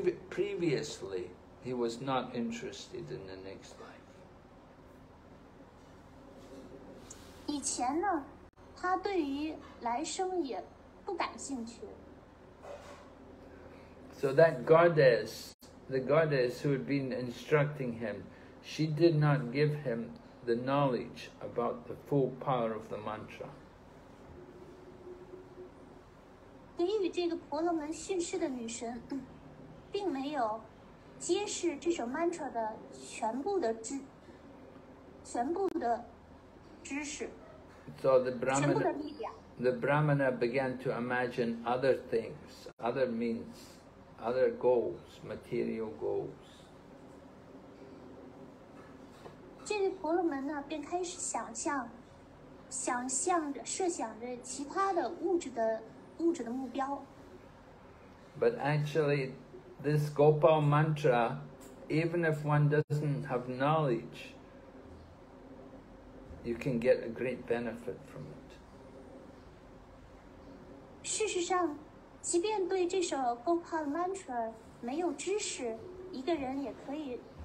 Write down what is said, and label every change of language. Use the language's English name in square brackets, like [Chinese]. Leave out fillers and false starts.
[English] Previously, he was not interested in the next life. [Chinese] 以前呢，他对于来生也不感兴趣。 [English] So that goddess, the goddess who had been instructing him, she did not give him the knowledge about the full power of the mantra. [Chinese] 给予这个婆罗门训示的女神，并没有揭示这首 mantra 的全部的知识。 [English] So the Brahmana began to imagine other things, other means, other goals, material goals. [Chinese] 这位婆罗门呢，便开始设想着其他的物质的目标。 [English] But actually, this Gopal mantra, even if one doesn't have knowledge, you can get a great benefit from it. [Chinese] 事实上，即便对这首 Gopal mantra 没有知识，一个人也可以。